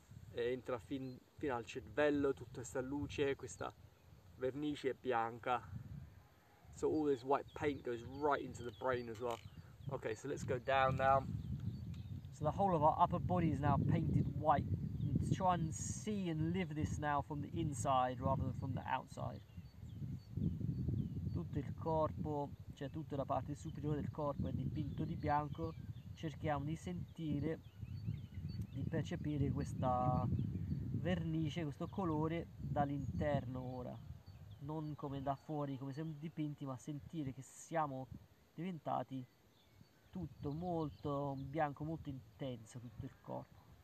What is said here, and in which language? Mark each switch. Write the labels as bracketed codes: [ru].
[it] E entra fino al cervello tutta questa luce, questa vernice bianca. [en] So all this white paint goes right into the brain as well. Okay, so let's go down now. So the whole of our upper body is now painted white. Let's try and see and live this now from the inside rather than from the outside. [it] Tutto il corpo, cioè tutta la parte superiore del corpo è dipinto di bianco. Cerchiamo di sentire, di percepire questa vernice, questo colore dall'interno ora. Non come da fuori, come siamo dipinti, ma sentire che siamo diventati tutto molto bianco, molto intenso tutto il corpo.